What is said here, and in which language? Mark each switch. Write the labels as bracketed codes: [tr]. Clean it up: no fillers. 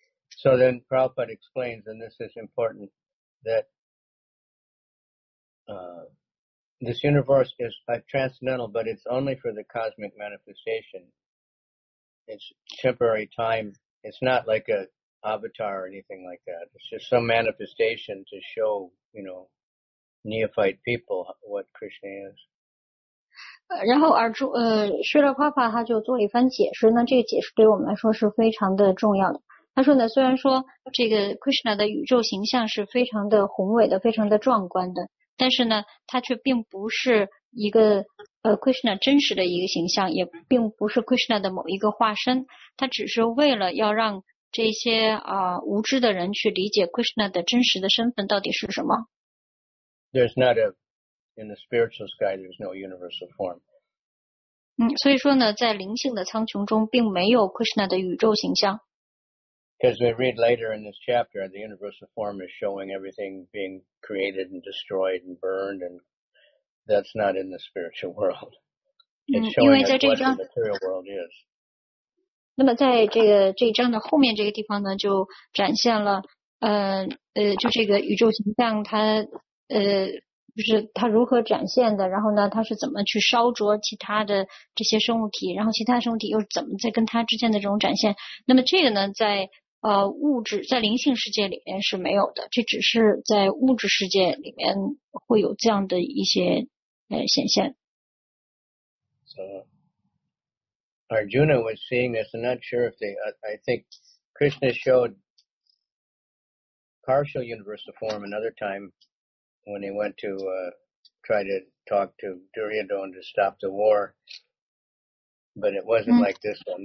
[en] So then Prabhupada explains, and this is important, that this universe is transcendental, but it's only for the cosmic manifestation. It's temporary time. It's not like an avatar or anything like that. It's just some manifestation to show, you know, neophyte people what Krishna is. [zh] 然后舍勒帕帕他就做了一番解释，那这个解释对我们来说是非常的重要的。他说呢，虽然说这个 Krishna 的宇宙形象是非常的宏伟的，非常的壮观的，但是呢他却并不是一个Krishna 真实的一个形象，也并不是 Krishna 的某一个化身，他只是为了要让这些无知的人去理解 Krishna 的真实的身份到底是什么。 [en] There's not aIn the spiritual sky, there's no universal form. [zh] 所以说呢，在灵性的苍穹中，并没有 Krishna 的宇宙形象。 [en] Because we read later in this chapter, the universal form is showing everything being created and destroyed and burned, and that's not in the spiritual world. It's showing us what the material world is. [zh] 那么在这一章的后面这个地方呢，就展现了就这个宇宙形象它就是他如何展现的，然后呢他是怎么去烧灼其他的这些生物体，然后其他生物体又怎么在跟他之间的这种展现。那么这个呢在物质在灵性世界里面是没有的，这只是在物质世界里面会有这样的一些显现。 [en] So, Arjuna was seeing this, I'm not sure if I think Krishna showed partial universal form another time. When he went to try to talk to Duryodhana to stop the war, but it wasn't like this one.